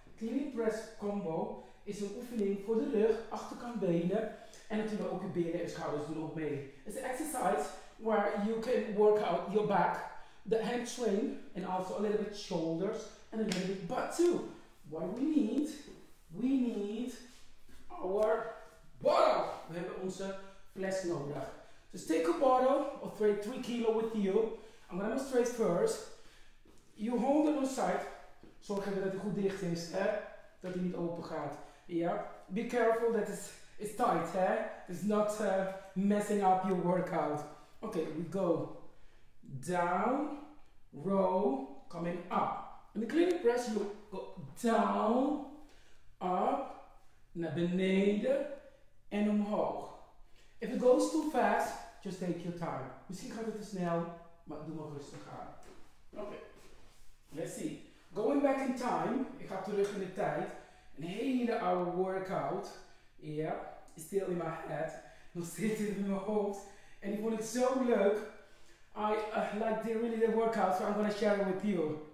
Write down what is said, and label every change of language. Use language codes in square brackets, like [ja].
[nl] Cleaning press combo is een oefening voor de rug, achterkant benen en natuurlijk ook je benen en schouders doen ook mee. [en] It's an exercise where you can work out your back, the hamstring and also a little bit shoulders and a little bit butt too. What we need? We need our bottle. [nl] We hebben onze fles nodig. [en] Just take a bottle or throw 3 kilo with you. I'm gonna demonstrate first. You hold it on the side. [nl] Zorg even dat hij goed dicht is, hè? Dat hij niet open gaat. [en] Yeah. Be careful that it's tight, hè? It's not messing up your workout. Okay, we go down, row, coming up. In the cleaning press, you go down, up, [nl] naar beneden en omhoog. [en] If it goes too fast, just take your time. [nl] Misschien gaat het te snel, maar doe maar rustig aan. [en] Okay, let's see. Going back in time, [nl] ik ga terug in de tijd. Een hele oude workout. [en] Yeah, it's still in my head. [nl] Nog steeds in mijn hoofd. En ik vond het zo leuk. [en] I like the really the workout, so I'm gonna share it with you.